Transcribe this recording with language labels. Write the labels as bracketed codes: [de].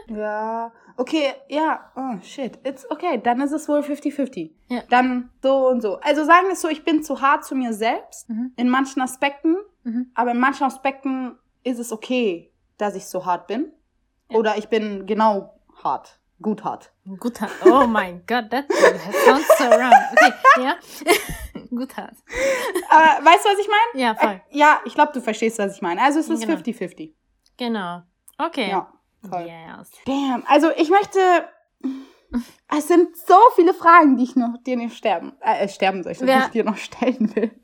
[de] Ja, okay, ja, [en] oh shit, it's okay, [de] dann ist es wohl 50-50. Ja. Dann so und so. Also sagen wir es so, ich bin zu hart zu mir selbst in manchen Aspekten, aber in manchen Aspekten ist es okay, dass ich so hart bin. Ja. Oder ich bin genau hart, gut hart. Gut hart, oh mein Gott, [en] that sounds so wrong. [de] Okay, ja, gut hart. Weißt du, was ich meine? Ja, voll. Ja, ich glaube, du verstehst, was ich meine. Also es ist 50-50. Genau. Okay. Ja, toll. Yes. Damn. Also ich möchte Es sind so viele Fragen, die ich noch dir nicht sterben, sterben soll, die ich dir noch stellen will.